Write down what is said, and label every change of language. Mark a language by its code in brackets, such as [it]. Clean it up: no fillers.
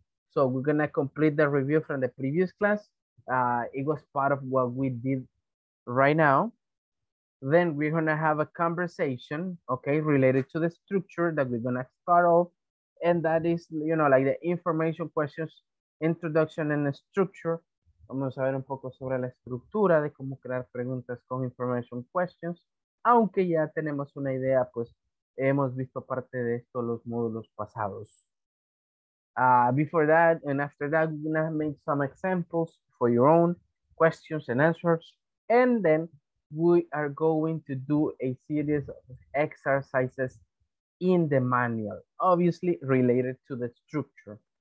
[en] So we're gonna complete the review from the previous class. It was part of what we did right now. Then we're gonna have a conversation, okay, related to the structure that we're gonna start off. And that is, you know, like the information questions, introduction and the structure. [es] Vamos a ver un poco sobre la estructura de cómo crear preguntas con information questions. Aunque ya tenemos una idea, pues hemos visto parte de esto los módulos pasados. [en] Before that and after that, we're going to make some examples for your own questions and answers. And then we are going to do a series of exercises in the manual, obviously related to the structure.